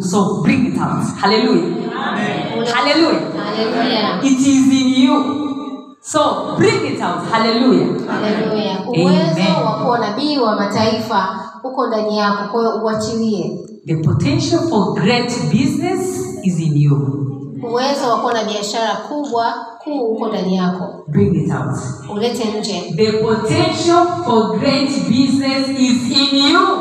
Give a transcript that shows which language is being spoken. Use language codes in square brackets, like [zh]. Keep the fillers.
[en] So bring it out. Hallelujah. Hallelujah. Hallelujah. It is in you. So bring it out. Hallelujah. [sw] Uwezo wa kuwa nabii wa mataifa uko ndani yako, kwa hiyo uachilie. [en] The potential for great business is in you. [sw] Uwezo wa kuwa na biashara kubwa kuu uko ndani yako. [en] Bring it out. [sw] Ulete nje. [en] The potential for great business is in you.